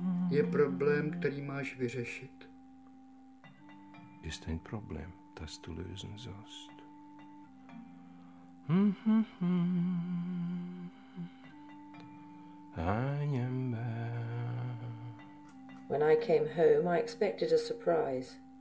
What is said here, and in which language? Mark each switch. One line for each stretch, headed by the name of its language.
Czech: je problém, který máš vyřešit.
German: Ist ein Problem, das du lösen sollst.
English: When I came home, I expected a surprise.